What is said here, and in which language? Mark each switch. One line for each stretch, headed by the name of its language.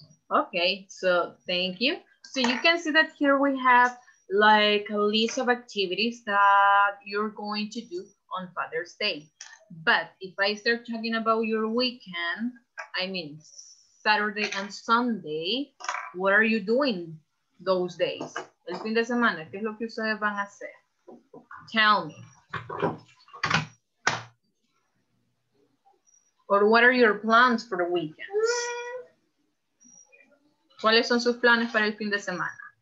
English: Okay, so thank you. So you can see that here we have like a list of activities that you're going to do on Father's Day. But if I start talking about your weekend, I mean Saturday and Sunday, what are you doing those days?
Spanish: El fin de semana, ¿qué es lo que ustedes van a hacer?
English: Tell me. Or what are your plans for the weekends?
Spanish: ¿Cuáles son sus planes para el fin de semana?